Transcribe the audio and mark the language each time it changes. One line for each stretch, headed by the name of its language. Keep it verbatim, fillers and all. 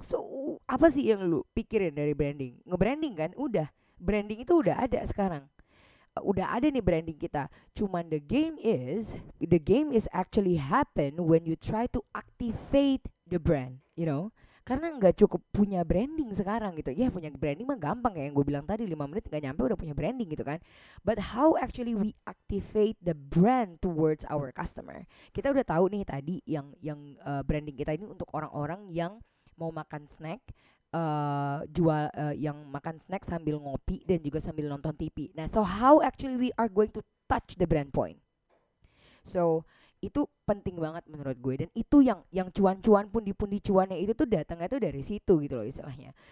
Indonesian: So, apa sih yang lu pikirin dari branding? Nge-branding kan udah. Branding itu udah ada sekarang. Udah ada nih branding kita.
English: Cuman the game is the game is actually happen when you try to activate the brand, you know?
Indonesian: Karena nggak cukup punya branding sekarang gitu ya, punya branding mah gampang kayak yang gue bilang tadi, lima menit nggak nyampe udah punya branding gitu kan.
English: But how actually we activate the brand towards our customer?
Indonesian: Kita udah tahu nih tadi yang yang uh, branding kita ini untuk orang-orang yang mau makan snack, uh, jual uh, yang makan snack sambil ngopi dan juga sambil nonton T V.
English: Nah, so how actually we are going to touch the brand point?
Indonesian: So itu penting banget menurut gue, dan itu yang yang cuan-cuan pundi-pundi cuannya itu tuh datangnya tuh dari situ gitu loh istilahnya.